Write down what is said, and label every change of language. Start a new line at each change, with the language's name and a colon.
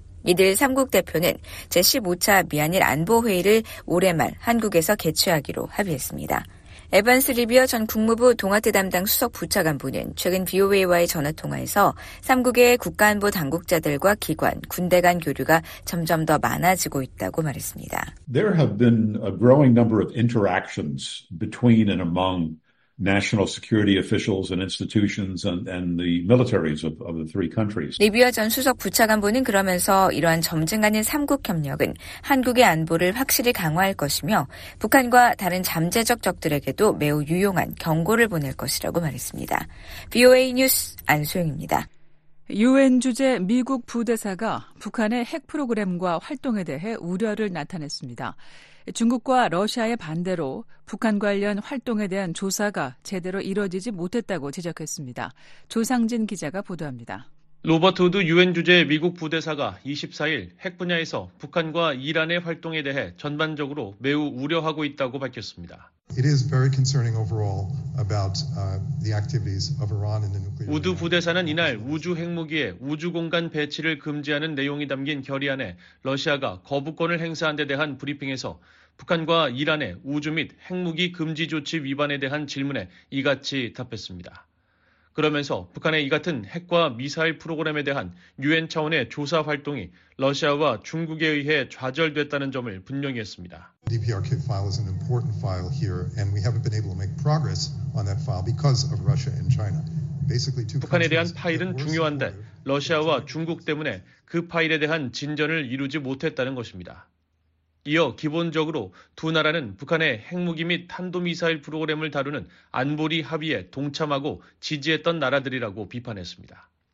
Korean: 이들 3국 대표는 제15차 미한일 안보회의를 올해 말 한국에서 개최하기로 합의했습니다. 에반스 리비어 전 국무부 동아태 담당 수석 부차관부는 최근 BOA와의 전화통화에서 3국의 국가안보 당국자들과 기관, 군대 간 교류가 점점 더 많아지고 있다고 말했습니다.
English: There have been a growing number of interactions between and among national security officials and institutions and the militaries of the three countries.
Korean: 리비아 전 수석 부차관보는 그러면서 이러한 점증 아닌 3국 협력은 한국의 안보를 확실히 강화할 것이며 북한과 다른 잠재적 적들에게도 매우 유용한 경고를 보낼 것이라고 말했습니다. VOA 뉴스 안소영입니다. 유엔 주재 미국 부대사가 북한의 핵 프로그램과 활동에 대해 우려를 나타냈습니다. 중국과 러시아의 반대로 북한 관련 활동에 대한 조사가 제대로 이뤄지지 못했다고 지적했습니다. 조상진 기자가 보도합니다. 로버트 우드 유엔 주재 미국 부대사가 24일 핵 분야에서 북한과 이란의 활동에 대해 전반적으로 매우 우려하고 있다고 밝혔습니다.
English: It is very concerning overall about the activities of Iran in the nuclear.
Korean: 우드 부대사는 이날 우주 핵무기의 우주 공간 배치를 금지하는 내용이 담긴 결의안에 러시아가 거부권을 행사한 데 대한 브리핑에서 북한과 이란의 우주 및 핵무기 금지 조치 위반에 대한 질문에 이같이 답했습니다. 그러면서 북한의 이 같은 핵과 미사일 프로그램에 대한 유엔 차원의 조사 활동이 러시아와 중국에 의해 좌절됐다는 점을 분명히 했습니다.
English: DPRK file is an important file here and we haven't been able to make progress on that file because of Russia and China. Basically,
Korean: 북한에 대한 파일은 중요한데 러시아와 중국 때문에 그 파일에 대한 진전을 이루지 못했다는 것입니다. 이어 기본적으로 두 나라는 북한의 핵무기 및 탄도미사일 프로그램을 다루는 안보리 합의에 동참하고 지지했던 나라들이라고 비판했습니다.